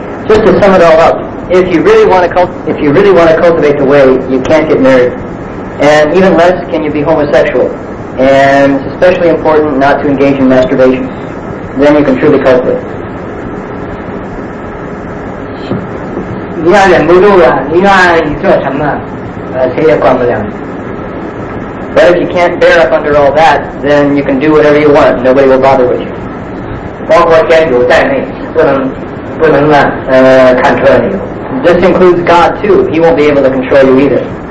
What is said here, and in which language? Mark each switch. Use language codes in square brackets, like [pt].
[en] Just to sum it all up, if you really want to cultivate the way, you can't get married, and even less can you be homosexual. And it's especially important not to engage in masturbation. Then you can truly cope with it. [zh] 你要忍不住了，你愿意做什么，谁也管不了。 [en] But if you can't bear up under all that, then you can do whatever you want. Nobody will bother with you. [zh] 包括天主在内，不能 [en] control you. This includes God too. He won't be able to control you either.